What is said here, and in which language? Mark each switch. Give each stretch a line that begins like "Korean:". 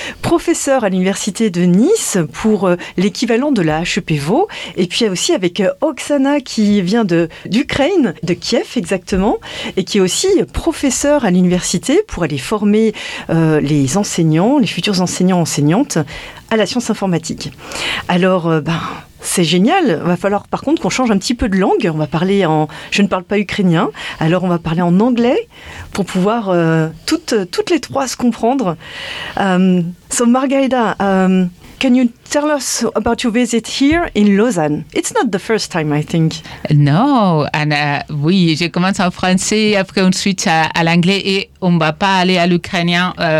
French: professeure à l'université de Nice pour l'équivalent de la HEP Vaud, et puis aussi avec Oksana qui vient d'Ukraine, de Kiev exactement, et qui est aussi professeure à l'université pour aller former les enseignants, les futurs enseignants et enseignantes à la science informatique. Alors, c'est génial. Il va falloir, par contre, qu'on change un petit peu de langue. On va parler en... Je ne parle pas ukrainien. Alors, on va parler en anglais pour pouvoir toutes les trois se comprendre.
English: So, Margarida, can you tell us about your visit here in Lausanne? It's not the first time, I think.
French: No, and oui, je commence en français, après ensuite à l'anglais, et on ne va pas aller à l'ukrainien.